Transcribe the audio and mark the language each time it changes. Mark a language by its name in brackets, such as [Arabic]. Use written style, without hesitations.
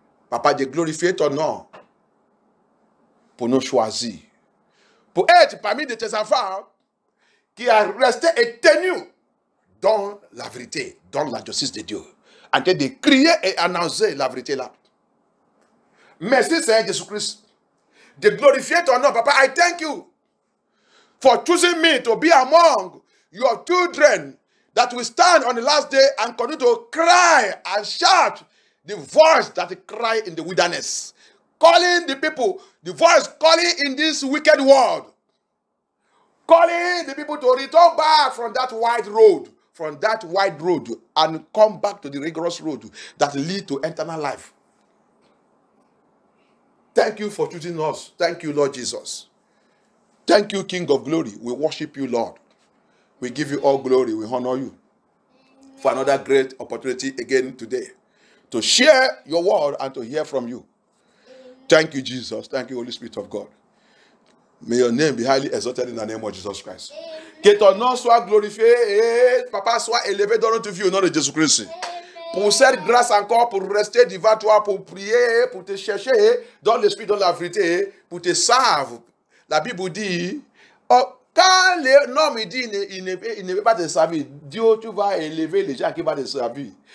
[French] Papa, de glorifier ton nom pour nous choisir. Pour être parmi de tes enfants qui a resté et tenu dans la vérité, dans la justice de Dieu. En train de crier et annoncer la vérité là. Merci Seigneur Jésus-Christ de glorifier ton nom. [English] Papa, I thank you for choosing me to be among your children that will stand on the last day and continue to cry and shout the voice that cry in the wilderness. Calling the people, the voice calling in this wicked world. Calling the people to return back from that wide road. From that wide road and come back to the rigorous road that lead to eternal life. Thank you for choosing us. Thank you, Lord Jesus. Thank you, King of glory. We worship you, Lord. We give you all glory. We honor you for another great opportunity again today to share your word and to hear from you. Thank you, Jesus. Thank you, Holy Spirit of God. May your name be highly exalted in the name of Jesus Christ. [French] Que ton nom soit glorifié et papa soit élevé dans notre vie au nom de Jésus Christ. Pour cette grâce encore, pour rester devant toi, pour prier, pour te chercher dans l'esprit, dans la vérité, pour te savoir. La Bible dit, quand l'homme dit il ne veut pas te servir, Dieu, tu vas élever les gens qui vont te servir.